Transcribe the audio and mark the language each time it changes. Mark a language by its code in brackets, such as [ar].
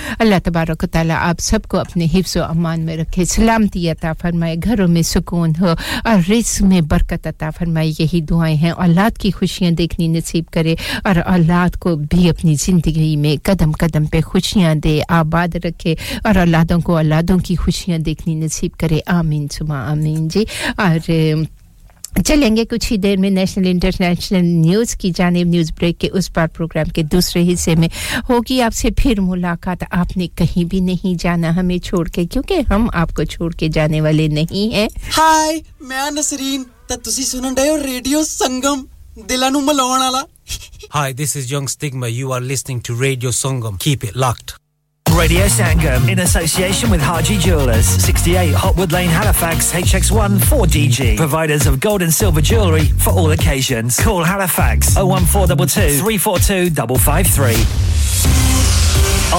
[ur] اللہ تبارک و تعالی آپ سب کو اپنے حفظ و امان میں رکھے سلامتی عطا فرمائے گھروں میں سکون ہو اور رزق میں برکت عطا فرمائے یہی دعائیں ہیں اولاد کی خوشیاں دیکھنی نصیب کرے اور اولاد کو بھی اپنی زندگی میں قدم قدم پہ خوشیاں دے آباد رکھے اور اولادوں کو اولادوں کی خوشیاں دیکھنی نصیب کرے آمین سمع آمین جی اور چلیں گے کچھ ہی دیر میں نیشنل انٹرنیشنل نیوز کی جانب نیوز بریک کے اس پار پروگرام کے دوسرے حصے میں ہوگی آپ سے پھر ملاقات آپ نے کہیں بھی نہیں جانا ہمیں چھوڑ کے کیونکہ ہم آپ کو چھوڑ کے جانے والے نہیں ہیں [pa] ہائی میں نسرین تسی سنن دے ریڈیو سنگم دلاں نوں ملاون والا [en] Hi, this is Young Stigma. You are listening to Radio Sangam. Keep it locked. Radio Sangam, in association with Haji Jewellers. 68 Hotwood Lane, Halifax, HX1 4DG. Providers of gold and silver jewellery for all occasions. Call Halifax 01422 342 553.